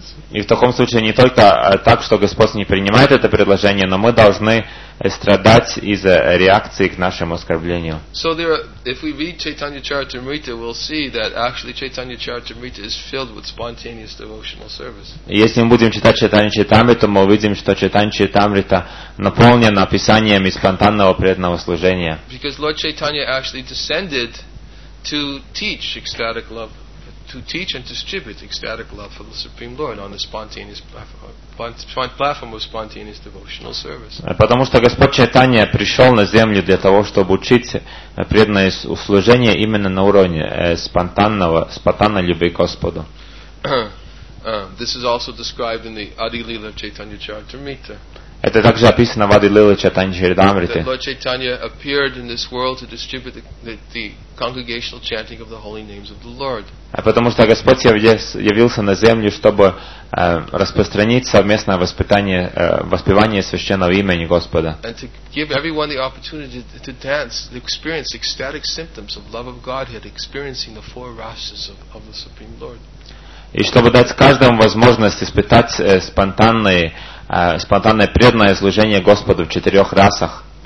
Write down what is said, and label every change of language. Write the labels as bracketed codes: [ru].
[ru] и в таком случае не только так, что Господь не принимает это предложение, но мы должны страдать из-за реакции к нашему оскорблению. [en] So there are, if we read Chaitanya Charitamrita, we'll see that actually Chaitanya Charitamrita is filled with spontaneous devotional service. [ru] Если мы будем читать Чайтанью Чайтамриту, мы увидим, что Чайтанья Чайтамрита наполнена писаниями спонтанного преданного служения. [en] Because Lord Chaitanya actually descended to teach ecstatic love, to teach and distribute ecstatic love for the Supreme Lord on the spontaneous platform of spontaneous devotional service. [ru] Потому что Господь Чайтанья пришел на землю для того, чтобы учить преданное служение именно на уровне спонтанной любви к Господу. [en] This is also described in the Adi Lila Chaitanya Charitamrita. [ru] Это также описано в Ади Лиле Чайтанья Чаритамрите. [en] Lord Chaitanya appeared in this world to distribute the congregational chanting of the holy names of the Lord. [ru] Потому что Господь явился на землю, чтобы распространить совместное воспевание священного имени Господа. [en] And to give everyone the opportunity to dance, to experience ecstatic symptoms of love of Godhead, experiencing the four rasas of the Supreme Lord. [ru] И чтобы дать каждому возможность испытать спонтанное преданное служение Господу в четырех расах.